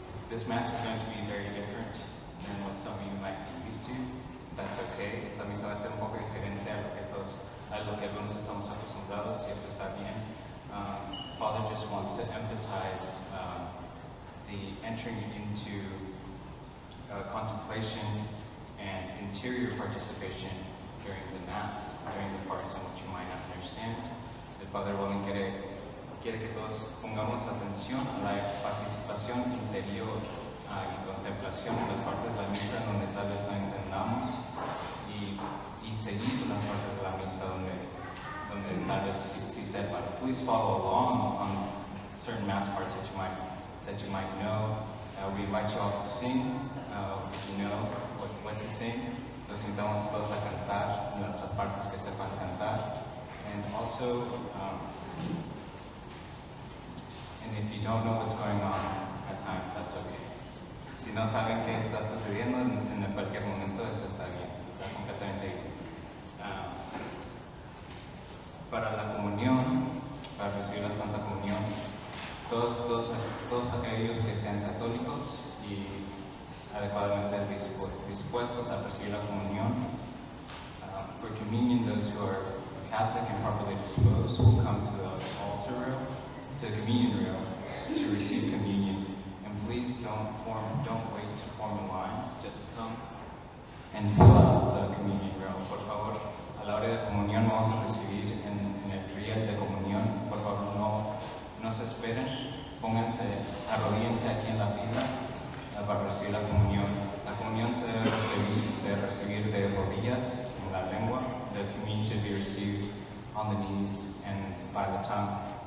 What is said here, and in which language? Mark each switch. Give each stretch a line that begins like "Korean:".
English: This Mass is going to be very different than what some of you might be used to. That's okay.
Spanish: Esta misa va a ser un poco diferente a lo que algunos estamos acostumbrados, y eso está bien.
English: Father just wants to emphasize the entering into contemplation and interior participation during the Mass, during the parts in which you might not understand.
Spanish: El Padre Bowlin quiere que todos pongamos atención a la participación interior y contemplación en las partes de la misa donde tal vez no entendamos y seguir las partes de la misa donde tal vez sí sepa.
English: Please follow along on certain mass parts that you might know. We invite you all to sing. You know what to sing.
Spanish: Los invitamos todos a cantar en las partes que sepan cantar.
English: And also, and if you don't know what's going on at times, that's okay.
Spanish: Si no saben qué está sucediendo en cualquier momento, eso está bien. Está completamente bien. Para la comunión, para recibir la Santa Comunión, todos aquellos que sean católicos y adecuadamente dispuestos a recibir la comunión,
English: for communion, those who are Catholic and properly disposed will come to the altar rail, to the communion rail, to receive communion. And please don't wait to form the lines. Just come and fill out the communion rail.
Spanish: Por favor, a la hora de comunión vamos a recibir en el riel de comunión. Por favor, no se esperen. Pónganse, arrodíense aquí en la fila para recibir la comunión. La comunión se debe recibir de rodillas en la lengua.
English: The communion should be received on the knees and by the tongue.